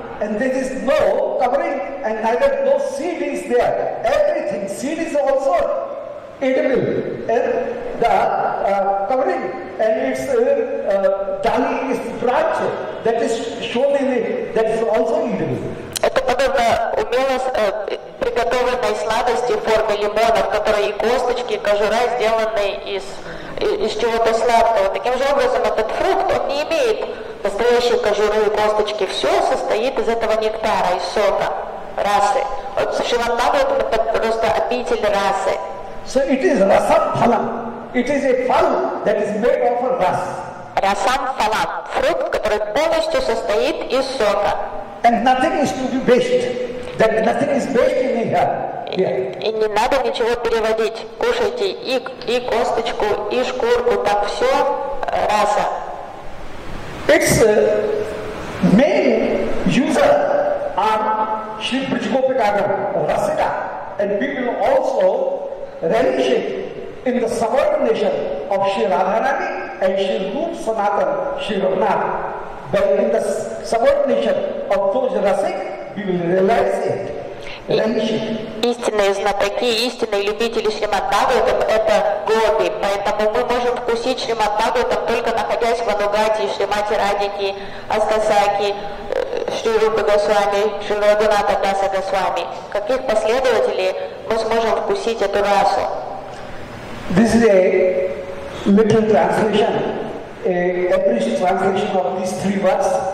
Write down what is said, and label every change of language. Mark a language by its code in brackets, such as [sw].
[en] And there is no covering and neither no seed is there. Everything, seed is also edible, and the covering and its dali is branch that is shown in it, that is also edible. [ru] Это подобно умело приготовленной сладости в форме лимона, в которой и косточки, и кожура сделаны из из чего-то сладкого. Таким же образом, этот фрукт, он не имеет настоящей кожуры и косточки. Все состоит из этого нектара, из сока, расы. Вот Шиванбхагават — это просто обитель расы. [en] So it is rasam phalam. It is a phal that is made of a ras. Rasam phalam. [ru] Фрукт, который полностью состоит из сока. [en] And nothing is to be based. That nothing is based in here. Yeah. [ru] И не надо ничего переводить. Кушайте и косточку, и шкурку, так все раса. [en] Its main user are Shri Brijgopikagar or Rasika, and people also relish it in the subordination of Shri Radharani and Shri Rup Sanatan, Shri Ramnath. But in the subordination of those Rasik, we will realize it. [ru] Истинные знатоки, истинные любители Шримад Бхагаватам — это гопи. Поэтому мы можем вкусить Шримад Бхагаватам, только находясь в Анугате, Шримати Радики, Аскасаки, Шри Рупа Госвами, Шри Рагуната Даса Госвами. Как их последователи мы сможем вкусить эту расу? [en] This is a little translation, a brief translation of these three words.